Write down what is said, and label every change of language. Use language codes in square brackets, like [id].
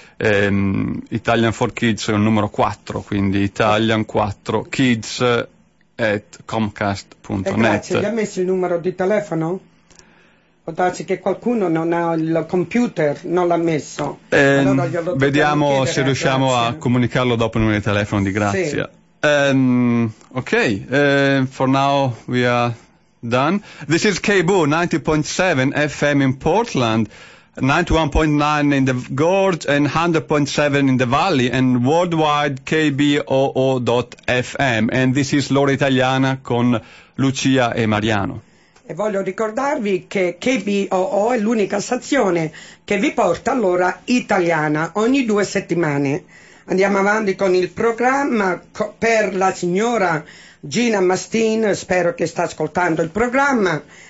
[it] Italian for Kids è un numero 4, quindi italian4kids@comcast.net. Grazie, gli ha messo il numero di telefono? Può darsi che qualcuno non ha il computer, non l'ha messo. Allora vediamo se riusciamo a comunicarlo dopo il numero di telefono di Grazia. Sì. [en] For now we are done. This is KBOO 90.7 FM in Portland, 91.9 in the Gorge and 100.7 in the Valley, and worldwide KBOO.FM. And this is Lore Italiana con Lucia e Mariano. [it] E voglio ricordarvi che KBOO è l'unica stazione che vi porta l'ora italiana ogni 2 settimane. Andiamo avanti con il programma per la signora Gina Mastin, spero che sta ascoltando il programma.